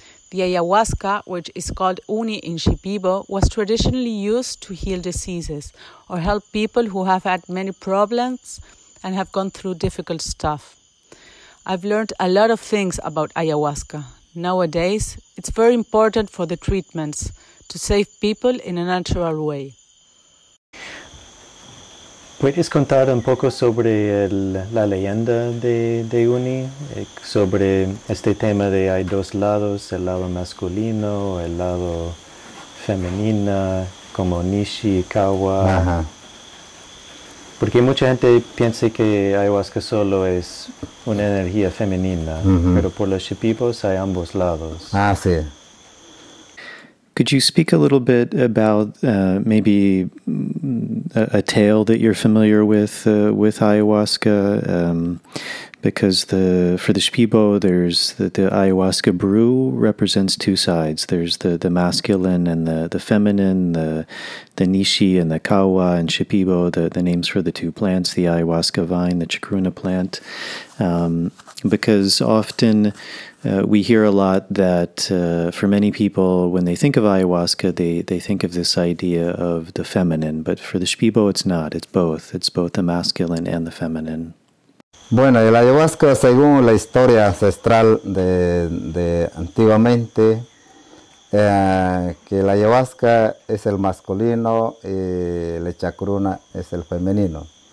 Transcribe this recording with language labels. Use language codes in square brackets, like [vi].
[en] The ayahuasca, which is called uní in Shipibo, was traditionally used to heal diseases or help people who have had many problems and have gone through difficult stuff. I've learned a lot of things about ayahuasca. Nowadays, it's very important for the treatments to save people in a natural way. [es] ¿Puedes contar un poco sobre la leyenda de uní? Sobre este tema de hay dos lados, el lado masculino, el lado femenina, como Nishi, Kawa. Ajá. Porque mucha gente piensa que ayahuasca solo es una energía femenina, pero por los Shipibos hay ambos lados. Ah, sí. [en] Could you speak a little bit about maybe a tale that you're familiar with ayahuasca? Because for the Shipibo, there's the ayahuasca brew represents two sides. There's the masculine and the feminine, the Nishi and the Kawa, and Shipibo, the names for the two plants, the ayahuasca vine, the chacruna plant. Because often we hear a lot that for many people, when they think of ayahuasca, they think of this idea of the feminine. But for the Shipibo, it's not. It's both. It's both the masculine and the feminine. [es] Bueno, el ayahuasca, según la historia ancestral de antiguamente, que la ayahuasca es el masculino y la chacruna es el femenino.